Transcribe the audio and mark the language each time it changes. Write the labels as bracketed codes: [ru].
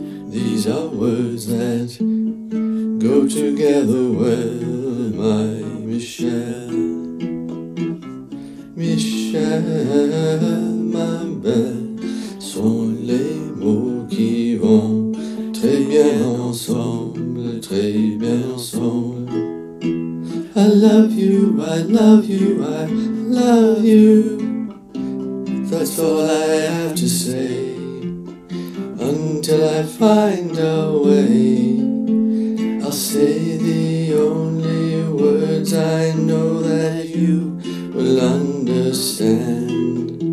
[en] These are words that go together well, my Michelle. [fr] Michelle, ma belle, sont les mots qui vont très bien ensemble, très bien ensemble. [en] I love you, I love you, I love you. That's all I have to say until I find a way. I'll say the only words I know that you will understand.